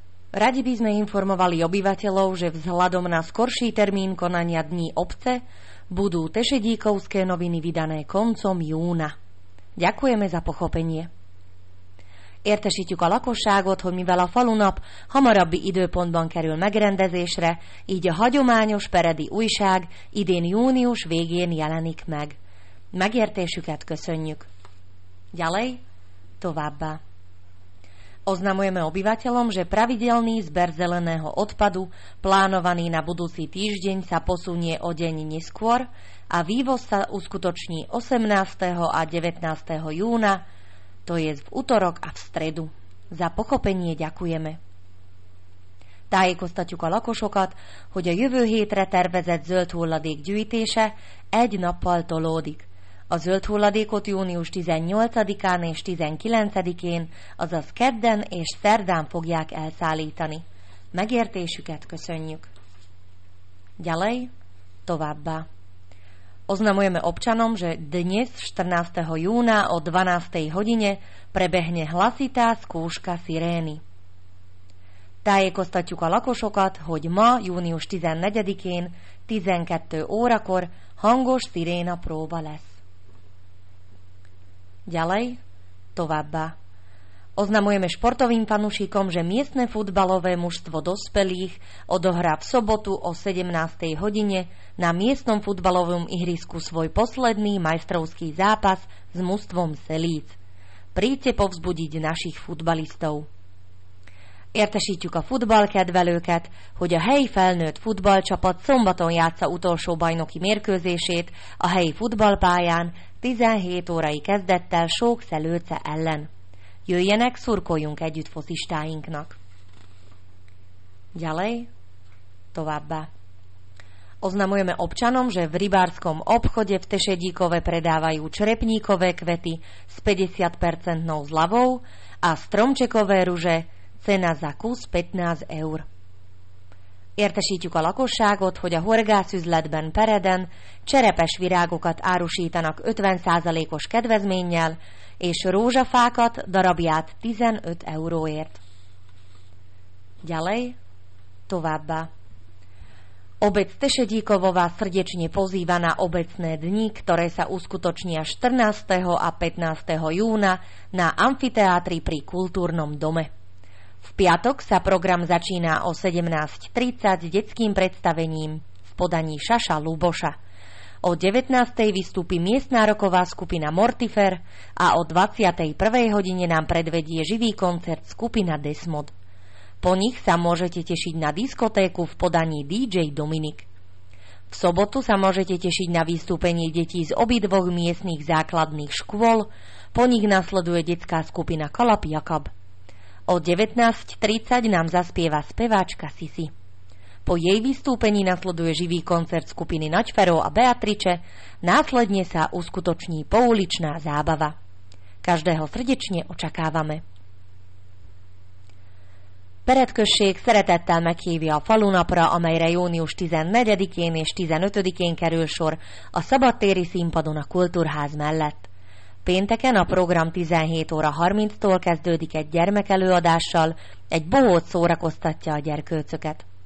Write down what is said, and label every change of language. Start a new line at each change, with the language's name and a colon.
Slovak: Radi by sme informovali obyvateľov, že vzhľadom na skorší termín konania dní obce budú tešedíkovské noviny vydané koncom júna. Ďakujeme za pochopenie.
Hungarian: Értesítjük a lakosságot, hogy mivel a falunap hamarabbi időpontban kerül megrendezésre, így a hagyományos peredi újság idén június végén jelenik meg. Megértésüket köszönjük.
Slovak: Ďalej,
Hungarian: továbbá.
Slovak: Oznamujeme obyvateľom, že pravidelný zber zeleného odpadu plánovaný na budúci týždeň sa posunie o deň neskôr a vývoz sa uskutoční 18. a 19. júna, to je v utorok a v stredu. Za pochopenie ďakujeme.
Hungarian: Tájékoztatjuk a lakosokat, hogy a jövő hétre tervezett zöld hulladék gyűjtése egy nappal tolódik. A zöld hulladékot június 18-án és 19-én, azaz kedden és szerdán fogják elszállítani. Megértésüket köszönjük.
Slovak: Ďalej,
Hungarian: továbbá.
Slovak: Oznamujeme občanom, že dnes 14. júna o 12. hodine prebehne hlasitá skúška sirény.
Hungarian: Tájékoztatjuk a lakosokat, hogy ma, június 14-én, 12 órakor hangos siréna próba lesz.
Slovak: Ďalej,
Hungarian: továbbá.
Slovak: Oznamujeme športovým fanúšikom, že miestne futbalové mužstvo dospelých odohrá v sobotu o 17. hodine na miestnom futbalovom ihrisku svoj posledný majstrovský zápas s mužstvom Selíc. Príďte povzbudiť našich futbalistov.
Hungarian: Értesítjük a futballkedvelőket, hogy a helyi felnőtt futballcsapat szombaton játsza utolsó bajnoki mérkőzését a helyi futballpályán 17 órai kezdettel Sók Szelőce ellen. Jöjjenek, szurkoljunk együtt focistáinknak.
Slovak: Ďalej,
Hungarian: továbbá.
Slovak: Oznamujeme občanom, že v rybárskom obchode v Tešedíkove predávajú črepníkové kvety s 50% zľavou a stromčekové ruže, cena za kus 15 eur.
Hungarian: Értesítjük a lakosságot, hogy a horgászüzletben Pereden cserepes virágokat árusítanak 50%-os kedvezménnyel, és rózsafákat darabját 15 euróért.
Slovak: Ďalej,
Hungarian: továbbá.
Slovak: Obec Tešedíkovová srdečne pozýva na obecné dni, ktoré sa uskutočnia 14. a 15. júna na amfiteátri pri kultúrnom dome. V piatok sa program začína o 17.30 detským predstavením v podaní Šaša Luboša. O 19.00 vystúpi miestná roková skupina Mortifer a o 21.00 hodine nám predvedie živý koncert skupina Desmod. Po nich sa môžete tešiť na diskotéku v podaní DJ Dominik. V sobotu sa môžete tešiť na vystúpenie detí z obidvoch miestnych základných škôl, po nich nasleduje detská skupina Kalap Jakab. O 19.30 nám zaspieva speváčka Sisi. Po jej vystúpení nasleduje živý koncert skupiny Naďfero a Beatrice, následne sa uskutoční pouličná zábava. Každého srdečne očakávame.
Hungarian: Peredkösség szeretettel meghívja a falunapra, amelyre június 14-én és 15-én kerül sor a szabadtéri színpadon a kultúrház mellett. Pénteken a program 17 óra 30-tól kezdődik egy gyermekelőadással, egy bohóc szórakoztatja a gyerkőcöket.